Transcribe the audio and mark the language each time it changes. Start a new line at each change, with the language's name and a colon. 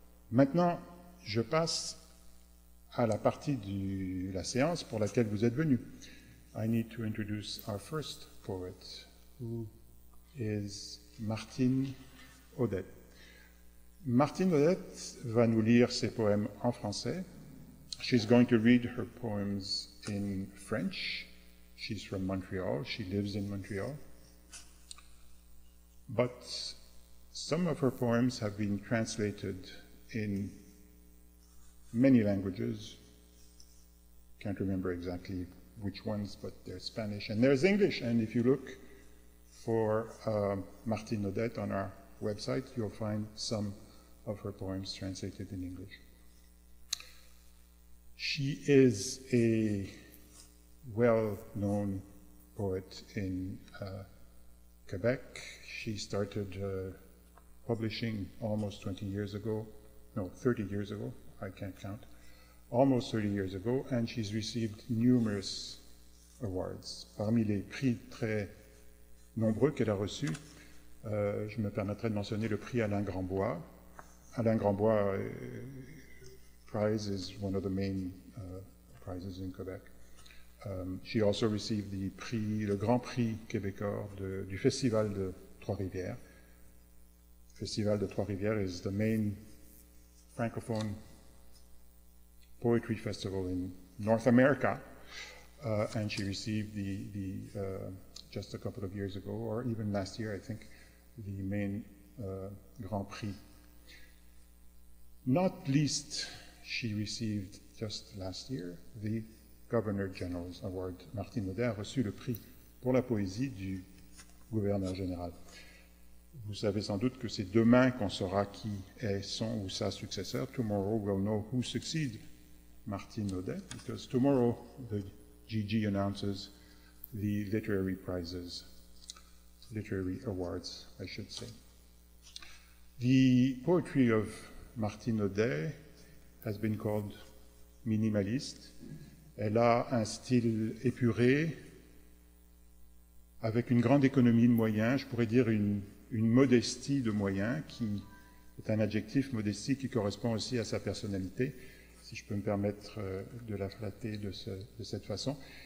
French: Maintenant, je passe à la partie de la séance pour laquelle vous êtes venu.
English: I need to introduce our first poet, who is Martine Audet.
French: Martine Audet va nous lire ses poèmes en français.
English: She's going to read her poems in French. She's from Montreal. She lives in Montreal. But some of her poems have been translated in many languages. Can't remember exactly which ones, but there's Spanish and there's English. And if you look for Martine Audet on our website, you'll find some of her poems translated in English. She is a well-known poet in Quebec. She started publishing almost 20 years ago. No, 30 years ago. I can't count. Almost 30 years ago, and she's received numerous awards.
French: Parmi les prix très nombreux qu'elle a reçus, je me permettrai de mentionner le prix Alain Grandbois.
English: Alain Grandbois prize is one of the main prizes in Quebec. She also received the prix, le Grand Prix Québécois de, du Festival de Trois-Rivières. Festival de Trois-Rivières is the main francophone poetry festival in North America, and she received the just a couple of years ago, or even last year, I think, the main Grand Prix. Not least, she received just last year the Governor General's Award.
French: Martine Audet a reçu le prix pour la poésie du gouverneur général. Vous savez sans doute que c'est demain qu'on saura qui est son ou sa successeur.
English: Tomorrow we'll know who succeeds Martine Audet, because tomorrow the GG announces the literary prizes, literary awards, I should say. The poetry of Martine Audet has been called minimalist.
French: Elle a un style épuré, avec une grande économie de moyens, je pourrais dire une modestie de moyens, qui est un adjectif modestie qui correspond aussi à sa personnalité, si je peux me permettre de la flatter de cette façon.